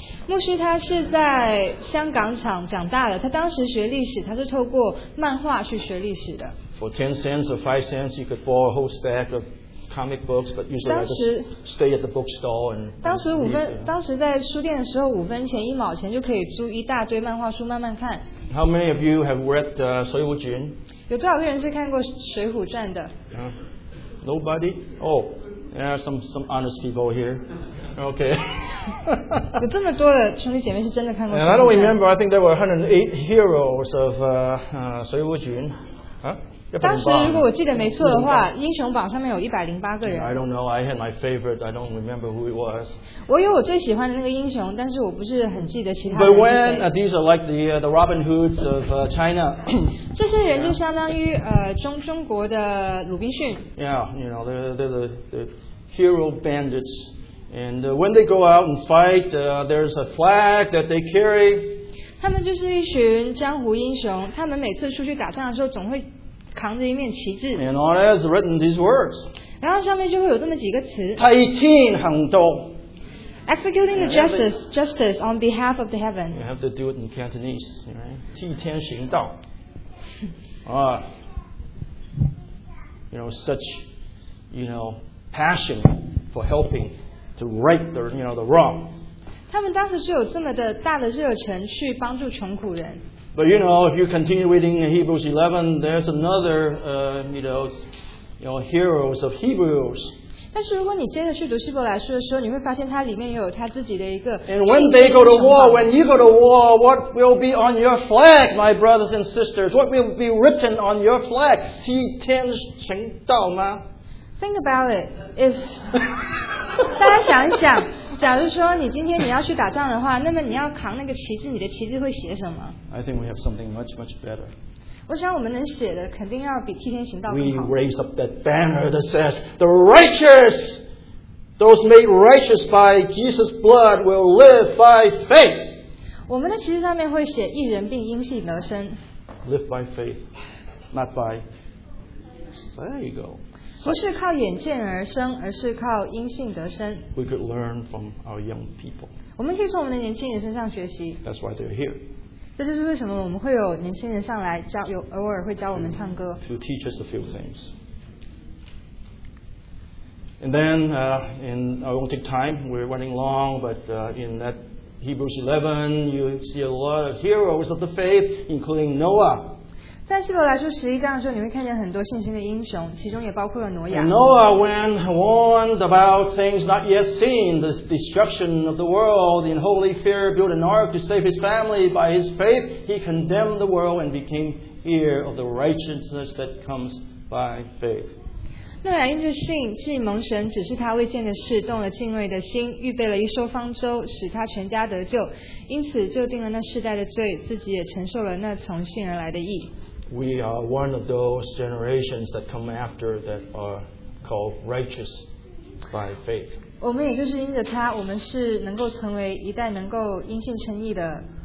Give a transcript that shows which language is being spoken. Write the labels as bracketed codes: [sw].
[zh] 牧师他是在香港长大的，他当时学历史，他是透过漫画去学历史的。 [en] For 10 cents or 5 cents, you could borrow a whole stack of comic books, but usually I just stay at the bookstore and. [zh] 当时在书店的时候，五分钱一毛钱就可以租一大堆漫画书慢慢看。 [en] How many of you have read《水浒传》？ [zh] 有多少人是看过《水浒传》的 [en] ？Nobody. Oh, yeah, some honest people here. Okay. [zh] 有这么多的兄弟姐妹是真的看过 [en] ？I don't remember. I think there were 108 heroes of《水浒传》。 [zh] 当时如果我记得没错的话，英雄榜上面有108个人。 [en] I don't know. I had my favorite. I don't remember who it was. [zh] 我有我最喜欢的那个英雄，但是我不是很记得其他人。 [en] But when these are like the Robin Hoods of China. [zh] 这些人就相当于中国的鲁滨逊。 [en] Yeah, you know, they're the hero bandits, and when they go out and fight, there's a flag that they carry. [zh] 他们就是一群江湖英雄，他们每次出去打仗的时候总会。扛着一面旗帜 [en] and on it is written these words. [zh] 然后上面就会有这么几个词 Taiting 行动 [en] Executing the justice on behalf of the heaven. You have to do it in Cantonese, right? [zh] 替天行道 [en] You know, such, you know, passion for helping to right the, you know, the wrong. [zh] 他们当时是有这么的大的热忱去帮助穷苦人。 [en] But you know, if you continue reading Hebrews 11, there's another, you know, heroes of Hebrews. [zh] 但是如果你接着去读希伯来书的时候，你会发现它里面有它自己的一个。 [en] And when they go to war, when you go to war, what will be on your flag, my brothers and sisters? What will be written on your flag? [zh] 替天行道吗？ [en] Think about it. [zh] If 大家想一想，假如说你今天你要去打仗的话，那么你要扛那个旗帜，你的旗帜会写什么？ [en] I think we have something much, much better. [zh] 我想我们能写的肯定要比替天行道更好。 [en] We raise up that banner that says, the righteous, those made righteous by Jesus' blood will live by faith. [zh] 我们的旗帜上面会写一人并因信得生。 [en] Live by faith, not by... There you go. [zh] 不是靠眼见而生，而是靠因信得生。 [en] We could learn from our young people. [zh] 我们可以从我们的年轻人身上学习。 [en] That's why they're here. [zh] 这就是为什么我们会有年轻人上来教，有偶尔会教我们唱歌。 [en] To teach us a few things. And then, I won't take time, we're running long, but in that Hebrews 11, you see a lot of heroes of the faith, including Noah. [zh] 在希伯来书十一章的时候，你会看见很多信心的英雄，其中也包括了挪亚。 [en] And Noah, when warned about things not yet seen, the destruction of the world, in holy fear, built an ark to save his family. By his faith, he condemned the world and became heir of the righteousness that comes by faith. [zh] 诺亚因着信，既蒙神指示他未见的事，动了敬畏的心，预备了一艘方舟，使他全家得救，因此就定了那世代的罪，自己也承受了那从信而来的义。 [en] We are one of those generations that come after that are called righteous by faith. [zh] 我们也就是因着他，我们是能够成为一代能够因信称义的。